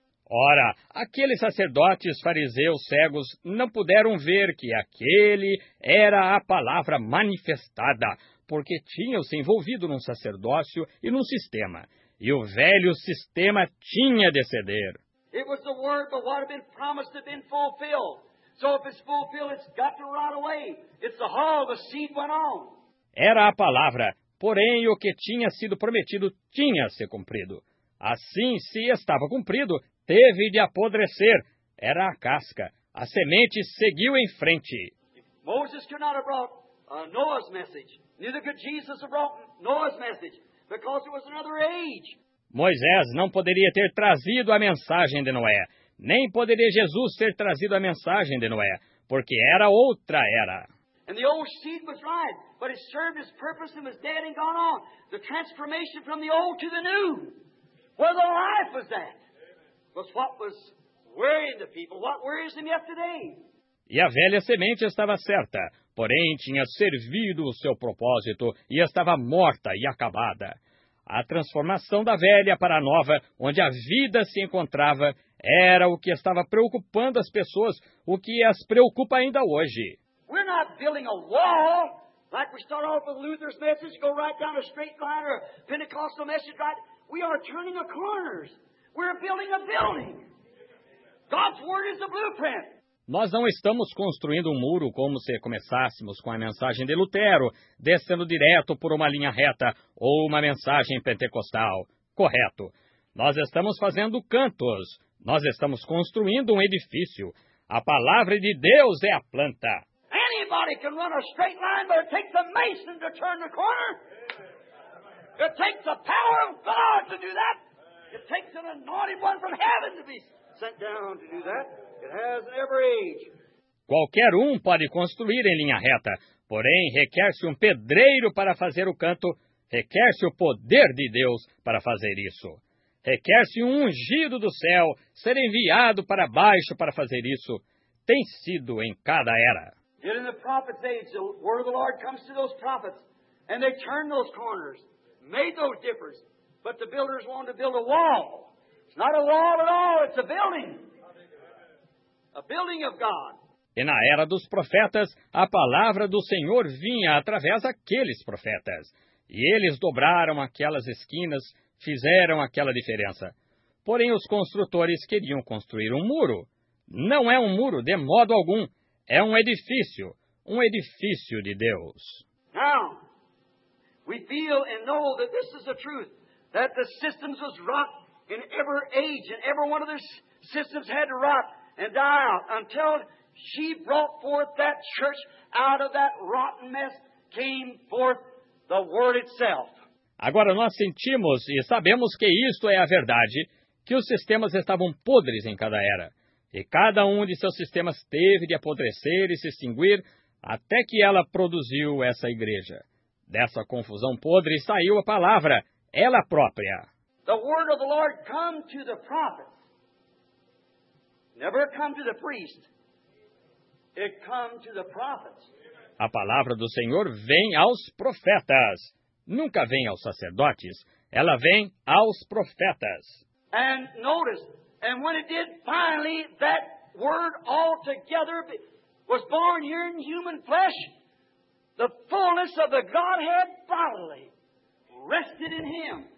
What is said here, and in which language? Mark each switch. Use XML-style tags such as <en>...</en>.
<pt>Ora, aqueles sacerdotes fariseus cegos não puderam ver que aquele era a palavra manifestada, porque tinham se envolvido num sacerdócio e num sistema, e o velho sistema tinha de ceder.</pt> <en>It was the word, but what had been promised had been fulfilled. So if it's fulfilled, it's got to rot away. It's the hull, the seed went on.</en> <pt>Era a palavra, porém o que tinha sido prometido tinha se cumprido. Assim, se estava cumprido, teve de apodrecer. Era a casca. A semente seguiu em frente.</pt> <en>Moses could not have brought Noah's message. Neither could Jesus have brought Noah's message, because it was another age.</en> <pt>Moisés não poderia ter trazido a mensagem de Noé, nem poderia Jesus ter trazido a mensagem de Noé, porque era outra era.</pt> <en>And the old seed was right, but it served its purpose and was dead and gone on. The transformation from the old to the new, where the life was at, was what was worrying the people, what worries them yesterday.</en> <pt>E a velha semente estava certa, porém tinha servido o seu propósito e estava morta e acabada. A transformação da velha para a nova, onde a vida se encontrava, era o que estava preocupando as pessoas, o que as preocupa ainda hoje.</pt> <en>We're not building a wall, like we start off with Luther's message, go right down a straight line, or a Pentecostal message, right? We are turning the corners. We're building a building. God's word is the blueprint.</en> <pt>Nós não estamos construindo um muro como se começássemos com a mensagem de Lutero, descendo direto por uma linha reta, ou uma mensagem pentecostal. Correto. Nós estamos fazendo cantos. Nós estamos construindo um edifício. A palavra de Deus é a planta.</pt> <en>Anybody can run a straight line, but it takes a mason to turn the corner. It takes the power of God to do that. It takes an anointed one from heaven to be sent down to do that. It has an every age.</en> <pt>Qualquer um pode construir em linha reta, porém requer-se um pedreiro para fazer o canto, requer-se o poder de Deus para fazer isso. Requer-se um ungido do céu ser enviado para baixo para fazer isso. Tem sido em cada era.</pt> <en>Yet in the prophet's age, the word of the Lord comes to those prophets, and they turn those corners, made those differences, but the builders want to build a wall. It's not a wall at all, it's a building. A building of God.</en> <pt>E na era dos profetas, a palavra do Senhor vinha através daqueles profetas. E eles dobraram aquelas esquinas, fizeram aquela diferença. Porém, os construtores queriam construir um muro. Não é um muro, de modo algum. É um edifício de Deus.</pt> <en>Now, we feel and know that this is the truth, that the systems was rot in every age, and every one of those systems had to rot. And die out until she brought forth that church out of that rotten mess, came forth the word itself.</en> <pt>Agora nós sentimos e sabemos que isto é a verdade, que os sistemas estavam podres em cada era, e cada um de seus sistemas teve de apodrecer e se extinguir até que ela produziu essa igreja. Dessa confusão podre saiu a palavra, ela própria.</pt> <en>The word of the Lord come to the prophets. Never come to the priest. It come to the prophets.</en> <pt>A palavra do Senhor vem aos profetas. Nunca vem aos sacerdotes. Ela vem aos profetas.</pt> <en>And notice, and when it did finally, that word altogether was born here in human flesh, the fullness of the Godhead bodily rested in him.</en>